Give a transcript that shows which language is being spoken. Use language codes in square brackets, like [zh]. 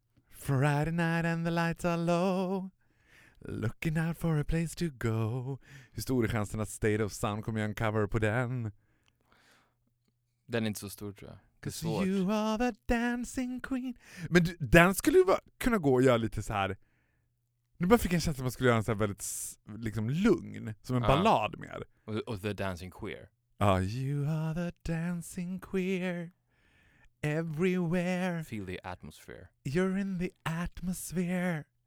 [en] Friday night and the lights are low. Looking out for a place to go. [sv] Hur stor är chansen att State of Sound kommer göra en cover på den? Den är inte så stor, tror jag. [en] Cause you are the dancing queen. [sv] Men du, den skulle ju kunna gå och göra lite så här. Nu bara fick jag en känsla att man skulle göra en så här väldigt liksom lugn. Som en ballad mer. [en] Och the dancing queer. You are the dancing queer. Everywhere. Feel the atmosphere. You're in the atmosphere.